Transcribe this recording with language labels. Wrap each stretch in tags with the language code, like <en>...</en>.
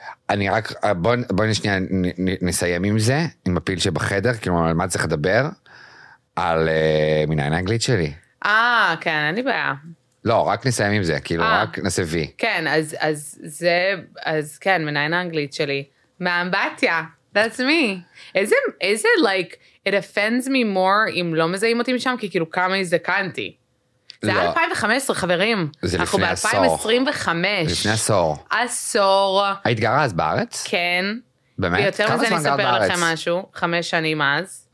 <he>אני רק, בואי נשניה, נסיים עם זה, עם הפיל שבחדר, כאילו על מה צריך לדבר, על מנהל האנגלית שלי. כן, אין לי בעיה. לא, רק נסיים עם זה, כאילו, רק נעשה וי. כן, אז זה, אז כן, מנהל האנגלית שלי. מאמבטיה,</he> <en>that's me. Is it like, it offends me more</en> <he>אם לא מזהים אותי משם, כי כאילו כמה הזדקנתי. זה 2015, חברים. זה לפני עשור. אנחנו ב-2025. לפני עשור. עשור. היית גרה אז בארץ? כן. באמת? ויותר מזה אני אספר לכם משהו, 5 שנים אז.</he>